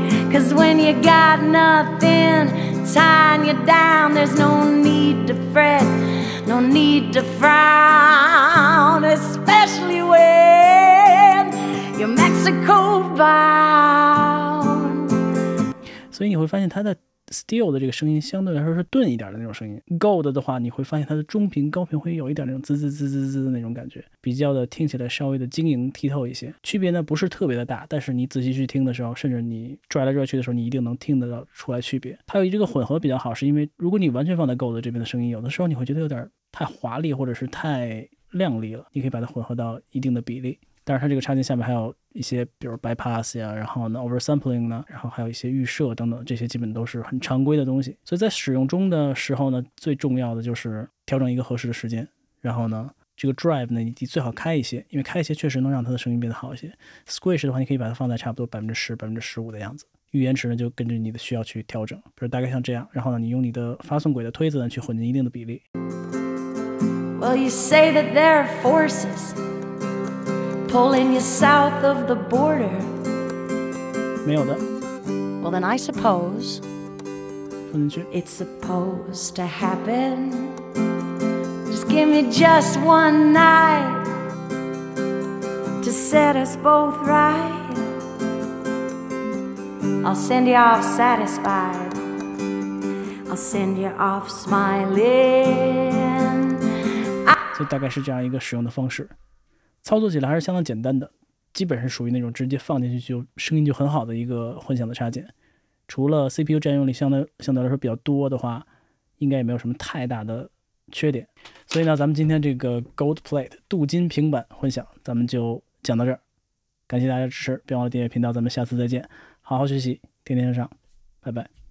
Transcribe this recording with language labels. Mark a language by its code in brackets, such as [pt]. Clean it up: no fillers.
[en] 'Cause when you got nothing tying you down, there's no need to fret, no need to frown, especially when you're Mexico bound. [zh] 所以你会发现他的Steel 的这个声音相对来说是钝一点的那种声音， Gold 的话你会发现它的中频高频会有一点那种滋滋滋滋滋的那种感觉，比较的听起来稍微的晶莹剔透一些，区别呢不是特别的大，但是你仔细去听的时候，甚至你拽来拽去的时候，你一定能听得到出来区别。它有这个混合比较好，是因为如果你完全放在 Gold 这边的声音，有的时候你会觉得有点太华丽或者是太亮丽了，你可以把它混合到一定的比例。但是它这个插件下面还有一些比如 bypass 呀，然后呢 oversampling 呢，然后还有一些预设等等，这些基本都是很常规的东西。所以在使用中的时候呢，最重要的就是调整一个合适的时间，然后呢这个 drive 呢你最好开一些，因为开一些确实能让它的声音变得好一些。 squish 的话你可以把它放在差不多 10%-15% 的样子，预延迟呢就根据你的需要去调整，比如大概像这样，然后呢你用你的发送轨的推子呢去混进一定的比例。 [en] Well you say that there are forcespulling you south of the border. [zh] 没有的。 [en] Well, then I suppose. [zh] 放进去。 [en] It's supposed to happen. Just give me just one night to set us both right. I'll send you off satisfied. I'll send you off smiling. [zh] 这大概是这样一个使用的方式。操作起来还是相当简单的，基本是属于那种直接放进去就声音就很好的一个混响的插件，除了 CPU 占用力相对来说比较多的话，应该也没有什么太大的缺点。所以呢，咱们今天这个 Gold Plate 镀金平板混响咱们就讲到这儿，感谢大家支持，别忘了订阅频道，咱们下次再见，好好学习，天天向上，拜拜。